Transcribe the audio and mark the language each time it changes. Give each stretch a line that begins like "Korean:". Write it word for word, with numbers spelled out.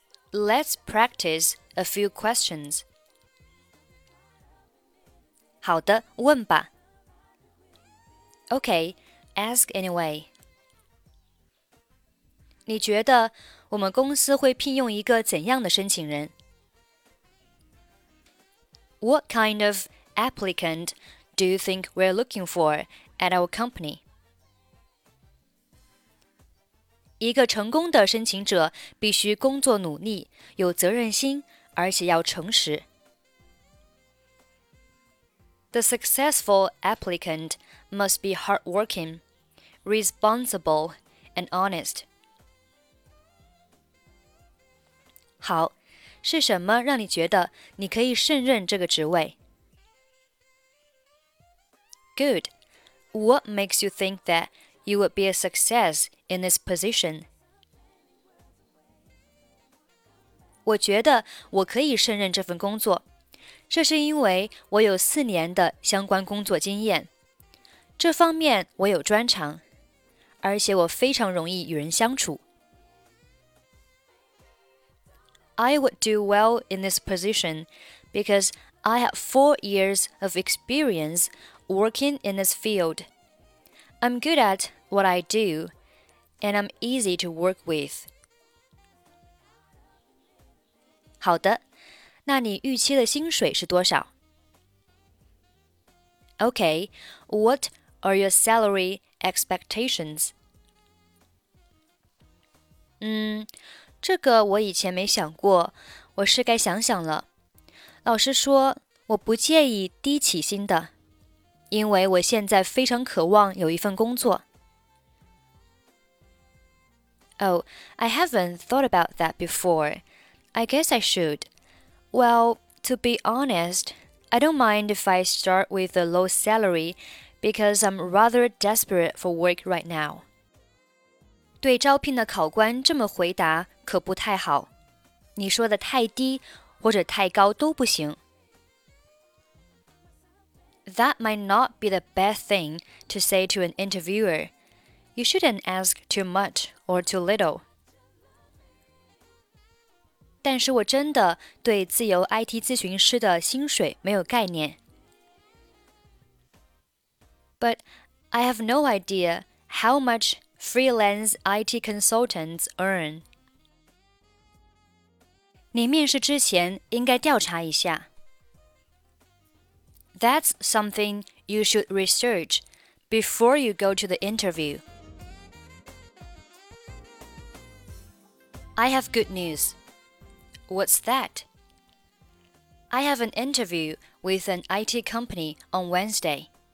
English: Let's practice a few questions.
Chinese: 好的，问吧。
English: Okay, ask anyway.
Chinese: 你觉得我们公司会聘用一个怎样的申请人？
English: What kind of applicant do you think we're looking for at our company?
Chinese: 一个成功的申请者必须工作努力，有责任心，而且要诚实。
English: The successful applicant must be hardworking, responsible, and honest.
Chinese: 好。是什么让你觉得你可以胜任这个职位？
English: Good. What makes you think that you would be a success in this position?
Chinese: 我觉得我可以胜任这份工作，这是因为我有四年的相关工作经验，这方面我有专长，而且我非常容易与人相处。
English: I would do well in this position because I have four years of experience working in this field. I'm good at what I do, and I'm easy to work with.
Chinese: 好的，那你预期的薪水是多少？
English: Okay, what are your salary expectations?
Chinese: 嗯这个我以前没想过，我是该想想了。老实说，我不介意低起薪的，因为我现在非常渴望有一份工作。
English: Oh, I haven't thought about that before. I guess I should. Well, to be honest, I don't mind if I start with a low salary because I'm rather desperate for work right now.
Chinese: 对招聘的考官这么回答可不太好，你说的太低或者太高都不行。
English: That might not be the best thing to say to an interviewer. You shouldn't ask too much or too little.
Chinese: 但是我真的对自由 I T 咨询师的薪水没有概念。
English: But I have no idea how much freelance I T consultants earn.
Chinese: 你面试之前应该调查一下。
English: That's something you should research before you go to the interview. I have good news. What's that? I have an interview with an I T company on Wednesday.